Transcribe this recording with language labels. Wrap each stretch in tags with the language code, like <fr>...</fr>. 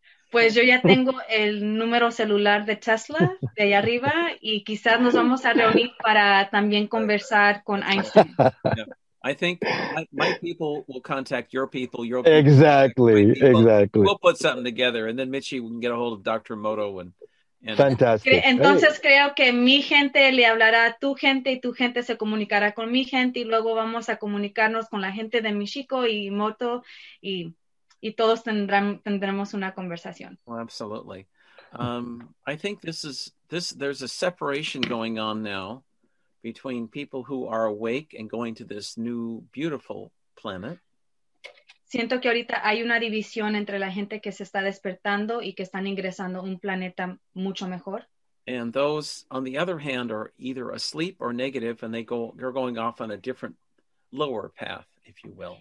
<es>Pues yo ya tengo el número celular de Tesla de allá arriba, y quizás nos vamos a reunir para también conversar con Einstein.</es> <en>Yeah. I think my people will contact your people. Your exactly, people. Exactly. We'll put something together, and then Michi can get a hold of Dr. Moto. And fantastic.</en> <es>Entonces creo que mi gente le hablará a tu gente, y tu gente se comunicará con mi gente, y luego vamos a comunicarnos con la gente de Michiko y Moto, y todos tendremos una conversación.</es> <en>Well, absolutely. I think this. There's a separation going on now. Between people who are awake and going to this new beautiful planet.</en> <es>Siento que ahorita hay una división entre la gente que se está despertando y que están ingresando un planeta mucho mejor.</es> <en>And those on the other hand are either asleep or negative, and they're going off on a different lower path, if you will.</en>